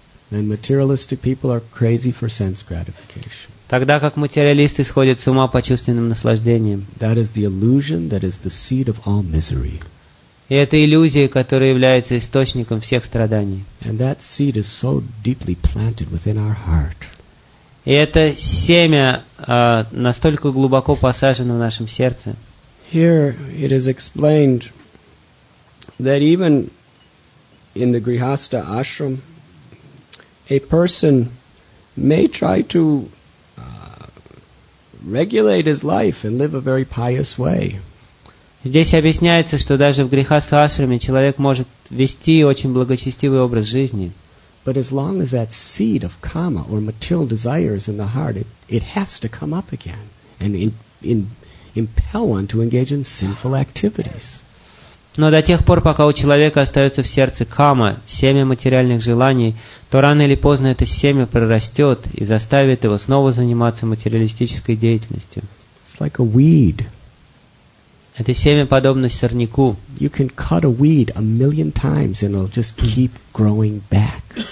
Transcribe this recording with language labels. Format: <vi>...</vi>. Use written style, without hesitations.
<en>And materialistic people are crazy for sense gratification.</en> <ru>Тогда как материалисты сходят с ума по чувственным наслаждениям.</ru> <en>That is the illusion that is the seed of all misery.</en> <ru>И это иллюзия, которая является источником всех страданий.</ru> <en>And that seed is so deeply planted within our heart.</en> <ru>И это семя настолько глубоко посажено в нашем сердце.</ru> <en>Here it is explained that even in the Grihastha ashram, a person may try to regulate his life and live a very pious way.</en> <ru>Здесь объясняется, что даже в грехастха ашраме человек может вести очень благочестивый образ жизни.</ru> <en>But as long as that seed of kama or material desire is in the heart, it has to come up again and impel one to engage in sinful activities.</en> <ru>Но до тех пор, пока у человека остается в сердце кама, семя материальных желаний, то рано или поздно это семя прорастет и заставит его снова заниматься материалистической деятельностью.</ru> <en>It's like a weed.</en> <ru>Это семя подобно сорняку.</ru> <en>You can cut a weed a million times and it'll just keep growing back.</en>